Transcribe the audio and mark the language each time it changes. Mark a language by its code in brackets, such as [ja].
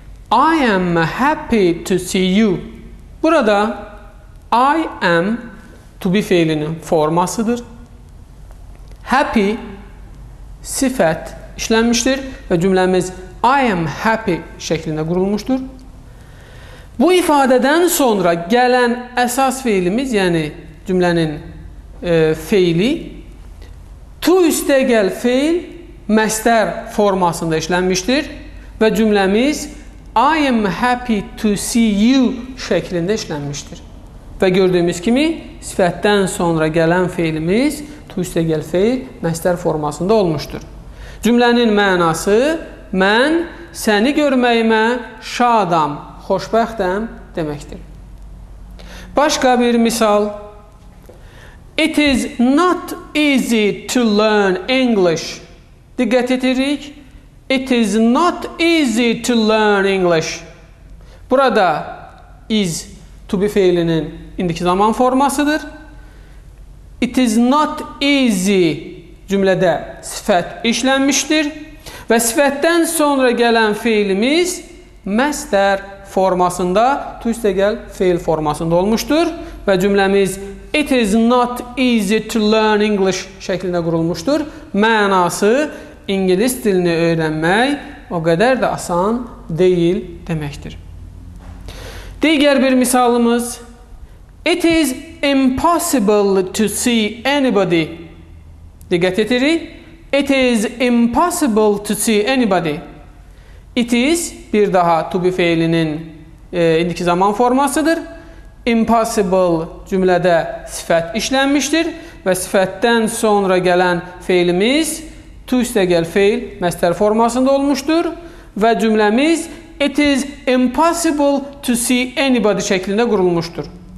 [en] I am happy to see you. [az] Burada [en] I am [az] to be fiilinin formasıdır. Happy sifət işlənmişdir və cümləmiz [en] I am happy [az] şəklində qurulmuşdur. Bu ifadədən sonra gələn əsas fiilimiz, yəni cümlənin feili to üstəgəl fiil məsdər formasında işlənmişdir və cümləmiz [en] I am happy to see you [az] şəklində işlənmişdir. Və gördüyümüz kimi sifətdən sonra gələn fiilimiz to üstəgəl fiil məsdər formasında olmuşdur. Cümlənin mənası mən səni görməyimə şadam, xoşbəxtəm deməkdir. Başqa bir misal. [en] It is not easy to learn English. [az] Diqqət edirik. [en] It is not easy to learn English. [az] Burada is to be fiilinin indiki zaman formasıdır. [en] It is not easy [az] cümlədə sifət işlənmişdir. Və sifətdən sonra gələn fiilimiz məsdər formasında, to üstəgəl fiil formasında olmuşdur. Və cümləmiz [en] It is not easy to learn English [az] şəklində qurulmuşdur. Mənası İngilis dilini öyrənmək o qədər də asan deyil deməkdir. Digər bir misalımız [en] It is impossible to see anybody. [az] Diqqət edirik. [en] It is impossible to see anybody. [az] It is bir daha to be fiilinin indiki zaman formasıdır. Impossible cümlədə sifət işlənmişdir və sifətdən sonra gələn fiilimiz to üstəgəl fiil məsdər formasında olmuşdur və cümləmiz [en] It is impossible to see anybody [az] şəklində qurulmuşdur.